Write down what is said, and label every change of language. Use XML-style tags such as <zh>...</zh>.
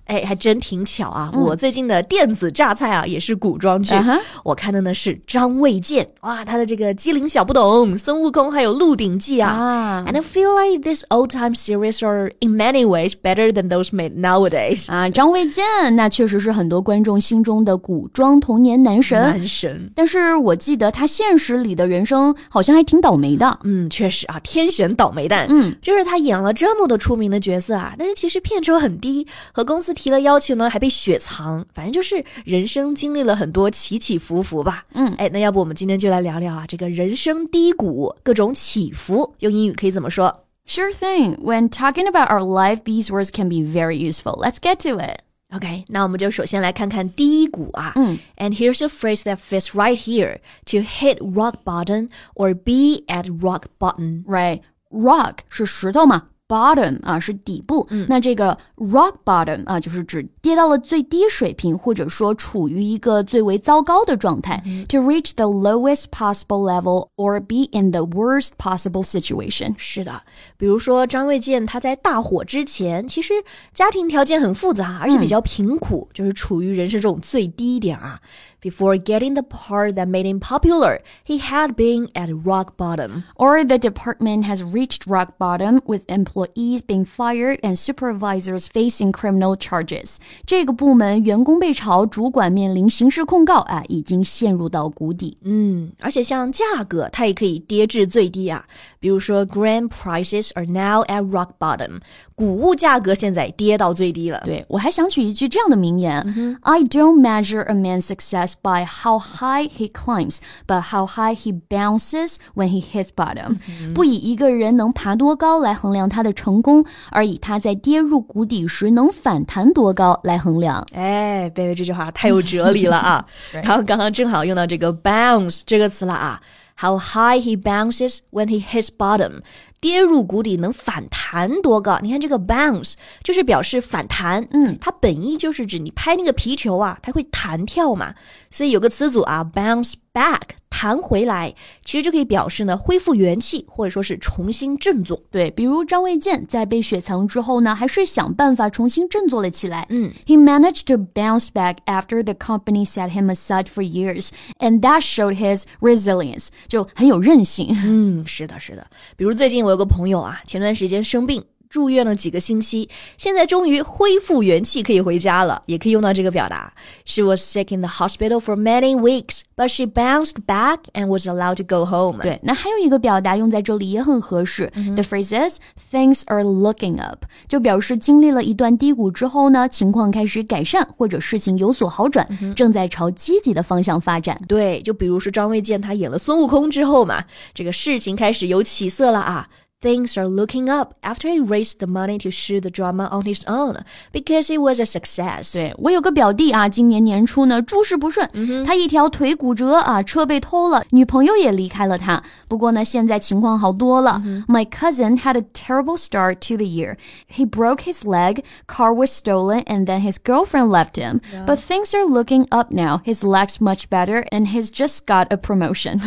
<zh>哎，还真挺巧啊,我最近的电子榨菜啊也是古装剧。 Uh-huh. 我看的呢是张卫健。哇，他的这个机灵小不懂孙悟空。还有鹿鼎记啊、 ah.</zh> <en>And I feel like this old time series are in many ways better than those made nowadays、</en> <zh>张卫健那确实是很多观众心中的古装童年男神男神但是我记得他现实里的人生好像还挺倒霉的嗯，确实啊天选倒霉蛋嗯，就是他演了这么多出名的角色啊但是其实片酬很低和公司提了要求呢还被雪藏反正就是人生经历了很多起起伏伏吧嗯，哎，那要不我们今天就来聊聊啊这个人生低谷各种起伏，用英语可以怎么说？</zh> <en>Sure thing. When talking about our life, these words can be very useful. Let's get to it.</en> <zh>Okay, 那我们就首先来看看低谷啊。嗯。</zh> <en>And here's a phrase that fits right here. To hit rock bottom or be at rock bottom.</en> <zh>Right. Rock 是石头嘛。Bottom 啊是底部、嗯、那这个 rock bottom 啊就是指跌到了最低水平或者说处于一个最为糟糕的状态、嗯、</zh> <en>To reach the lowest possible level or be in the worst possible situation</en> <zh>是的比如说张卫健他在大火之前其实家庭条件很复杂而且比较贫苦、嗯、就是处于人生这种最低点啊</zh> <en>Before getting the part that made him popular he had been at rock bottom Or the department has reached rock bottom with empLawyers being fired and supervisors facing criminal charges.</en> <zh>这个部门员工被炒，主管面临刑事控告啊，已经陷入到谷底。嗯，而且像价格，它也可以跌至最低啊。比如说</zh> <en>，grain prices are now at rock bottom.</en> <zh>谷物价格现在跌到最低了。对，我还想起一句这样的名言、 mm-hmm.</zh> <en>：I don't measure a man's success by how high he climbs, but how high he bounces when he hits bottom.、 Mm-hmm.</en> <zh>不以一个人能爬多高来衡量。他的成功而以他在跌入谷底时能反弹多高来衡量哎 baby 这句话太有哲理了啊对然后刚刚正好用到这个 bounce 这个词了啊</zh> <en>how high he bounces when he hits bottom</en> <zh>跌入谷底能反弹多高你看这个 bounce 就是表示反弹嗯，它本意就是指你拍那个皮球啊它会弹跳嘛所以有个词组啊 bounce back弹回来其实就可以表示呢恢复元气或者说是重新振作对比如张卫健在被雪藏之后呢还是想办法重新振作了起来嗯</zh> <en>He managed to bounce back after the company set him aside for years and that showed his resilience</en> <zh>就很有韧性嗯是的是的比如最近我有个朋友啊前段时间生病住院了几个星期现在终于恢复元气可以回家了也可以用到这个表达</zh> <en>She was sick in the hospital for many weeks But she bounced back and was allowed to go home</en> <zh>对那还有一个表达用在这里也很合适、 mm-hmm.</zh> <en>The phrase is Things are looking up</en> <zh>就表示经历了一段低谷之后呢情况开始改善或者事情有所好转、 mm-hmm. 正在朝积极的方向发展对就比如说张卫健他演了孙悟空之后嘛这个事情开始有起色了啊</zh> <en>Things are looking up after he raised the money to shoot the drama on his own because it was a success.</en> <zh>对，我有个表弟啊，今年年初呢，诸事不顺、嗯，他一条腿骨折啊，车被偷了，女朋友也离开了他。不过呢，现在情况好多了、嗯。</zh> <en>My cousin had a terrible start to the year. He broke his leg, car was stolen, and then his girlfriend left him.、 Yeah. But things are looking up now. His leg's much better, and he's just got a promotion.</en>